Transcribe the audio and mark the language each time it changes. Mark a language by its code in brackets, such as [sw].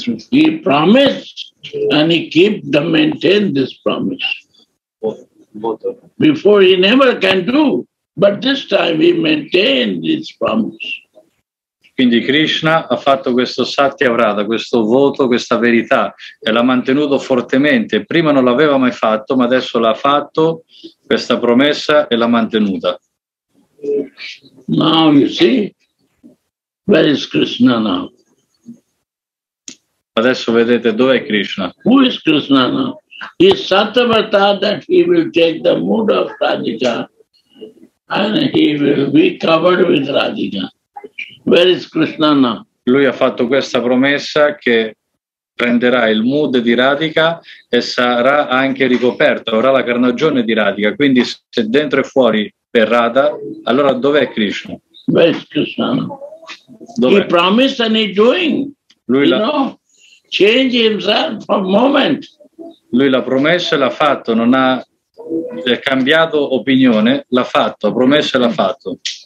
[en] He promised and he keep the maintain this promise. Before he never can do, but this time he maintained this promise. [it] Quindi Krishna ha fatto questo Satyavrata, questo voto, questa verità, e l'ha mantenuto fortemente. Prima non l'aveva mai fatto, ma adesso l'ha fatto questa promessa e l'ha mantenuta. [en] Now you see, where is Krishna now? [it] Adesso vedete dove è Krishna. [en] Who is Krishna now? Is Satyavrata that he will take the mood of Radhika and he will be covered with Radhika. Where is Krishna now? [it] Lui ha fatto questa promessa che prenderà il mood di Radhika e sarà anche ricoperto, avrà la carnagione di Radhika. Quindi se dentro e fuori per Radha, allora dov'è Krishna? [en] Where is Krishna now? [it] Dov'è? [en] He promised and he's doing. [it] lui la... [en] know, change himself for a moment. [it] Lui l'ha promesso e l'ha fatto, non ha cambiato opinione, l'ha fatto, ha promesso e l'ha fatto.